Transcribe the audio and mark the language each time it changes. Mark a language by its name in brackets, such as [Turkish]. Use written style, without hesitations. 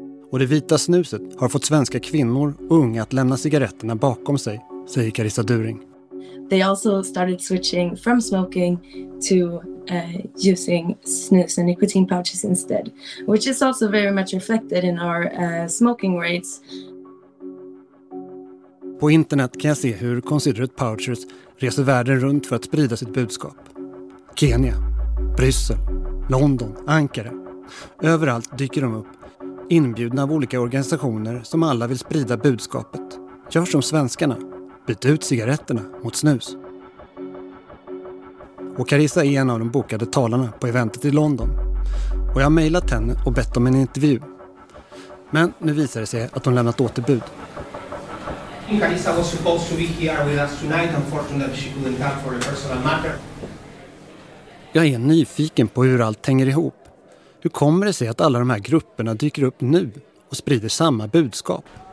[Swedish] Och det vita snuset har fått svenska kvinnor och unga att lämna cigaretterna bakom sig, säger Carissa During. [English] They also started switching from smoking to using snus and nicotine pouches instead, which is also very much reflected in our smoking rates. [Swedish] På internet kan jag se hur Considerate Pouchers reser världen runt för att sprida sitt budskap. Kenya, Bryssel, London, Ankara. Överallt dyker de upp, inbjudna av olika organisationer som alla vill sprida budskapet. Gör som svenskarna. Byt ut cigaretterna mot snus. Och Carissa är en av de bokade talarna på eventet i London. Och jag har mejlat henne och bett om en intervju. Men nu visar det sig att hon lämnat återbud. [English] Carissa was supposed to be here with us tonight. Unfortunately, she couldn't come for a personal matter. [Swedish] Jag är nyfiken på hur allt hänger ihop. Hur kommer det sig att alla de här grupperna dyker upp nu och sprider samma budskap?